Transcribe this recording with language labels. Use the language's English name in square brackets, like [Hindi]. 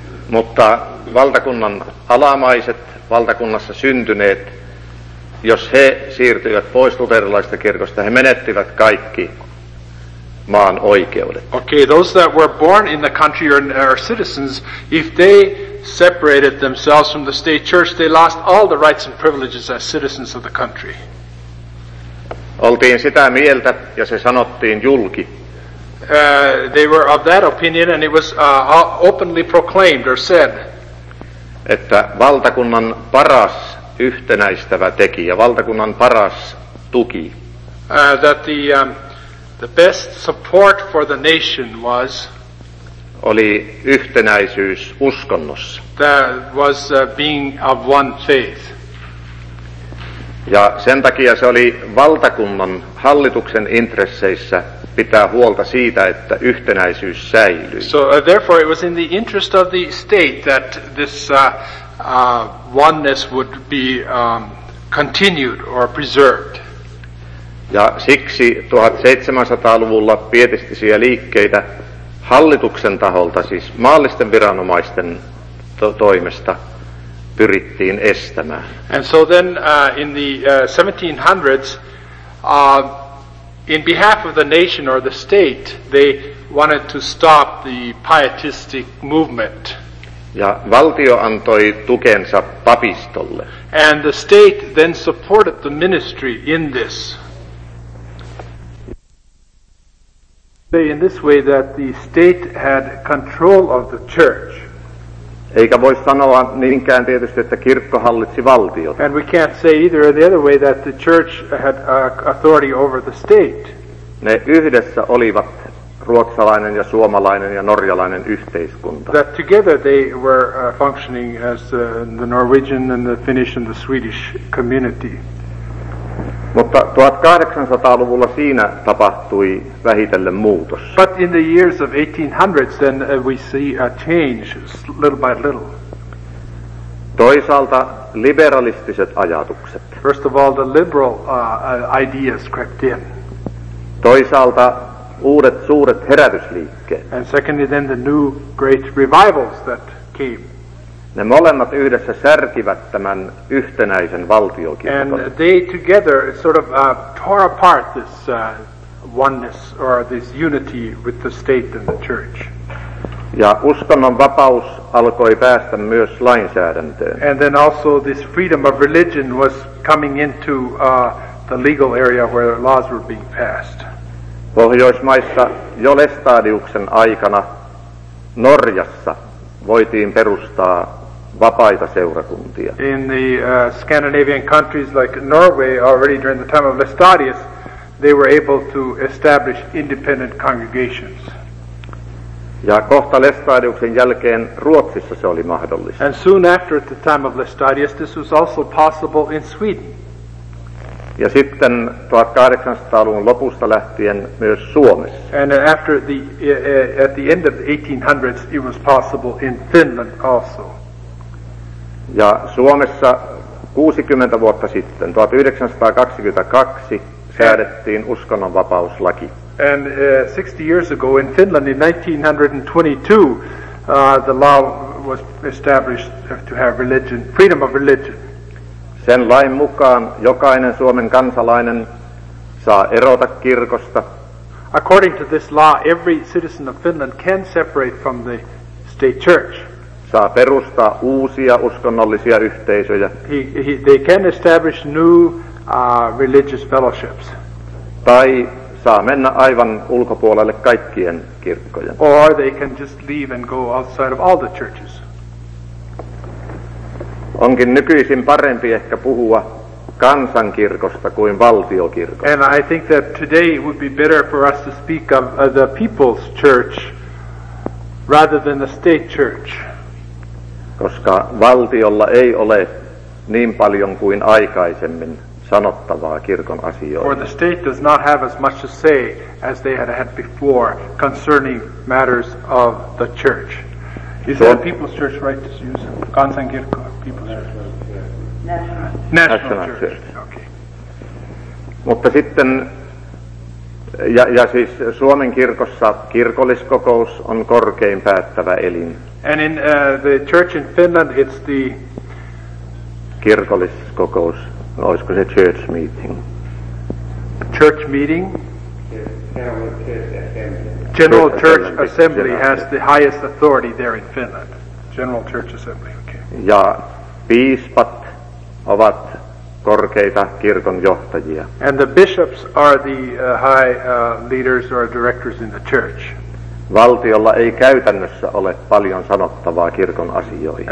[Finnish] Mutta valtakunnan alamaiset, valtakunnassa syntyneet, jos he siirtyivät pois luterilaisesta kirkosta, he menettivät kaikki maan oikeudet. [English] Okay, those that were born in the country or citizens, if they separated themselves from the state church, they lost all the rights and privileges as citizens of the country. [Finnish] Oltiin sitä mieltä, ja se sanottiin julki. [English] They were of that opinion, and it was openly proclaimed or said. [Finnish] Että valtakunnan paras yhtenäistävä tekijä, valtakunnan paras tuki. [English] The best support for the nation was [Finnish] oli yhtenäisyys uskonnossa. [English] That was being of one faith. [Finnish] Ja sen takia se oli valtakunnan hallituksen intresseissä pitää huolta siitä, että yhtenäisyys säilyy. [English] So therefore it was in the interest of the state that this oneness would be continued or preserved. [Finnish] Ja siksi 1700-luvulla pietistisiä liikkeitä hallituksen taholta, siis maallisten viranomaisten toimesta, pyrittiin estämään. [English] And so then in the 1700s, in behalf of the nation or the state, they wanted to stop the pietistic movement. [Finnish] Ja valtio antoi tukensa papistolle. [English] And the state then supported the ministry in this. In this way that the state had control of the church. [Finnish] Eikä voi sanoa niinkään tietysti, että kirkko hallitsi valtiota. [English] And we can't say either or the other way that the church had authority over the state. [Finnish] Ne yhdessä olivat ruotsalainen ja suomalainen ja norjalainen yhteiskunta. [English] That together they were functioning as the Norwegian and the Finnish and the Swedish community. [Finnish] Mutta 1800-luvulla siinä tapahtui vähitellen muutos. [English] But in the years of 1800s, then we see a change little by little. [Finnish] Toisaalta liberalistiset ajatukset. [English] First of all, the liberal ideas crept in. [Finnish] Toisaalta uudet suuret herätysliikkeet. [English] And secondly, then the new great revivals that came. [Finnish] Ne molemmat yhdessä särkivät tämän yhtenäisen valtiokirkon. [English] And they together sort of tore apart this oneness or this unity with the state and the church. [Finnish] Ja uskonnon vapaus alkoi päästä myös lainsäädäntöön. [English] And then also this freedom of religion was coming into the legal area where laws were being passed. [Finnish] Pohjoismaissa jo Lestadiuksen aikana Norjassa voitiin perustaa vapaita seurakuntia. [English] In the Scandinavian countries like Norway, already during the time of Lestadius, they were able to establish independent congregations. [Finnish] Ja kohta Lestadiuksen jälkeen Ruotsissa se oli mahdollista. [English] And soon after at the time of Lestadius, this was also possible in Sweden. [Finnish] Ja sitten 1800-luvun lopusta lähtien myös Suomessa. [English] And after the at the end of the 1800s, it was possible in Finland also. [Finnish] Ja Suomessa 60 vuotta sitten, 1922, säädettiin uskonnonvapauslaki. [English] And 60 years ago in Finland, in 1922, the law was established to have religion, freedom of religion. [Finnish] Sen lain mukaan jokainen Suomen kansalainen saa erota kirkosta. [English] According to this law, every citizen of Finland can separate from the state church. [Finnish] Saa perustaa uusia uskonnollisia yhteisöjä. [English] They can establish new religious fellowships. [Finnish] Tai saa mennä aivan ulkopuolelle kaikkien kirkkojen. [English] Or they can just leave and go outside of all the churches. [Finnish] Onkin nykyisin parempi ehkä puhua kansankirkosta kuin valtiokirkosta. [English] And I think that today it would be better for us to speak of the people's church rather than the state church. [Finnish] Koska valtiolla ei ole niin paljon kuin aikaisemmin sanottavaa kirkon asioita. [English] For the state does not have as much to say as they had had before concerning matters of the church. Is that a people's church, right, to use kansankirkko, people's church? National church. Okay. [Finnish] Mutta sitten, ja siis Suomen kirkossa kirkolliskokous on korkein päättävä elin. [English] And in the church in Finland, it's the [Finnish] kirkolliskokous, olisiko se [English] church meeting? Church meeting? Yeah, yeah, yeah, yeah. General Church Assembly has the highest authority there in Finland. General Church Assembly, okay. [Finnish] Ja piispat ovat korkeita kirkon johtajia. [English] And the bishops are the high leaders or directors in the church. [Finnish] Valtiolla ei käytännössä ole paljon sanottavaa kirkon asioihin.